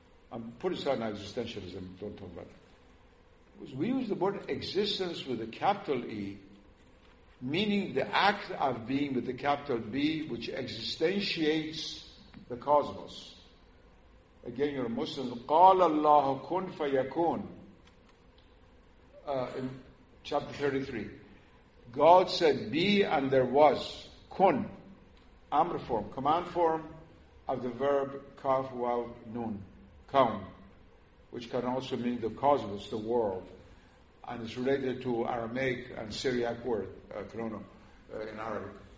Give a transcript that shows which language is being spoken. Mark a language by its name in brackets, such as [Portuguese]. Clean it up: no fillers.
[English] I'm putting aside now existentialism, don't talk about it. We use the word existence with a capital E, meaning the act of being with the capital B, which existentiates the cosmos. Again, you're a Muslim. [Arabic] قَالَ اللَّهُ كُنْ فَيَكُونَ [English] in chapter 33. God said, be and there was. Kun, amr form, command form of the verb kaf, waw, nun, kaun, which can also mean the cosmos, the world. And it's related to Aramaic and Syriac word, krono, in Arabic.